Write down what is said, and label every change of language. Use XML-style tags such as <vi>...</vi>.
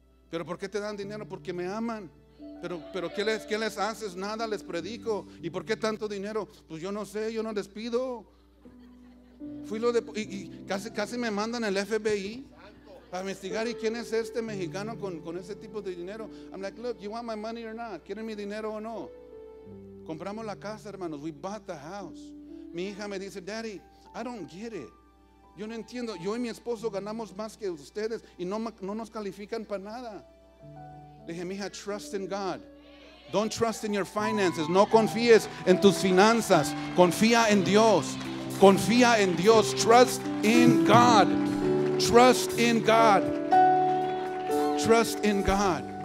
<es>¿Pero por qué te dan dinero? Porque me aman. ¿Pero qué les haces? Nada, les predico. ¿Y por qué tanto dinero? Pues yo no sé, yo no les pido. Fui lo de y casi me mandan el FBI para investigar y quién es este mexicano con ese tipo de dinero.</es> <en>I'm like, look, you want my money or not?</en> <es>¿Quieren mi dinero o no? Compramos la casa, hermanos.</es> <en>We bought the house.</en> <es>Mi hija me dice,</es> <en>Daddy, I don't get it.</en> <es>Yo no entiendo. Yo y mi esposo ganamos más que ustedes y no nos califican para nada. Le dije, mija,</es> <en>trust in God. Don't trust in your finances.</en> <es>No confíes en tus finanzas. Confía en Dios. Confía en Dios.</es> <en>Trust in God. Trust in God. Trust in God.</en>